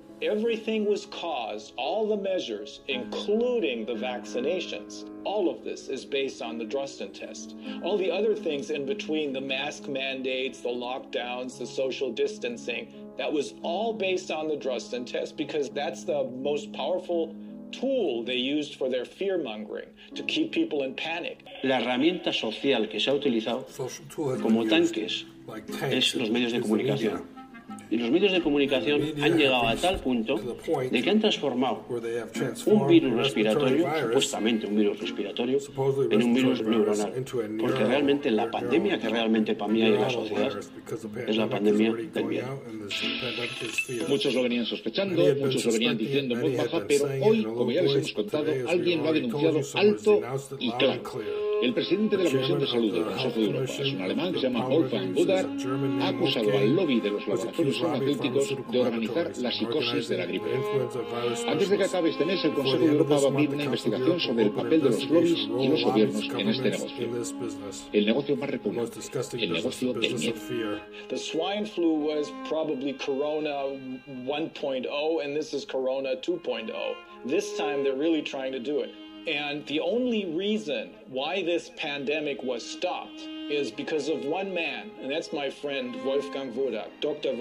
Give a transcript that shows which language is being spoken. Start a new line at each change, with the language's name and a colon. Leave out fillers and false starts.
English: Everything was caused, all the measures, including the vaccinations, all of this is based on the Drosten test. All the other things in between, the mask mandates, the lockdowns, the social distancing, that was all based on the Drosten test because that's the most powerful tool they used for their fear-mongering, to keep people in panic.
Spanish: La herramienta social que se ha utilizado como tanques es los medios de comunicación. Y los medios de comunicación han llegado a tal punto de que han transformado un virus respiratorio, supuestamente un virus respiratorio, en un virus neuronal. Porque realmente la pandemia que realmente para mí hay en la sociedad es la pandemia del miedo. Muchos lo venían sospechando, muchos lo venían diciendo en voz baja, pero hoy, como ya les hemos contado, alguien lo ha denunciado alto y claro. El presidente de la Comisión de Salud del Consejo de Europa, es un alemán que se llama Wolfgang Budar, ha acusado al lobby de los laboratorios farmacéuticos de organizar la psicosis de la gripe. Antes de que acabe este mes, el Consejo de Europa va a abrir una investigación sobre el papel de los lobbies y los gobiernos en este negocio. El negocio más repugnante, el negocio del miedo.
English: The swine flu was probably Corona 1.0 and this is Corona 2.0. This time they're really trying to do it. And the only reason why this pandemic was stopped is because of one man, and that's my friend Wolfgang Wodak, Dr.